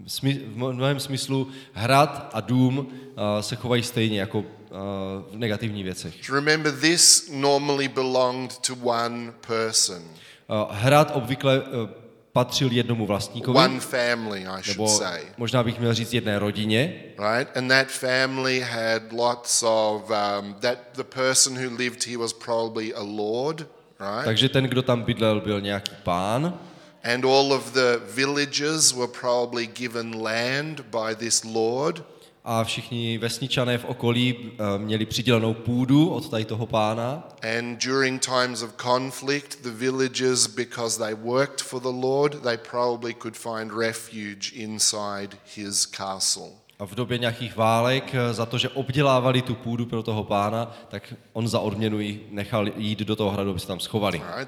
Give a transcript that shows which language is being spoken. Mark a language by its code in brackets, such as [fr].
[cs] v mnohém smyslu hrad a dům se chovají stejně jako v negativních věcech. [en] Remember, this normally belonged to one person. [cs] Hrad obvykle patřil jednomu vlastníkovi. [en] One family, I should say. [cs] Možná bych měl říct jedné rodině. [en] Right, and that family had lots of that the person who lived here was probably a lord, right? [cs] Takže ten, kdo tam bydlel, byl nějaký pán. [en] And all of the villagers were probably given land by this lord. [cs] A všichni vesničané v okolí měli přidělenou půdu od tady toho pána. [en] And during times of conflict, the villagers, because they worked for the lord, they probably could find refuge inside his castle. [cs] A v době nějakých válek, za to, že obdělávali tu půdu pro toho pána, tak on za odměnu jí nechal jít do toho hradu, aby se tam schovali.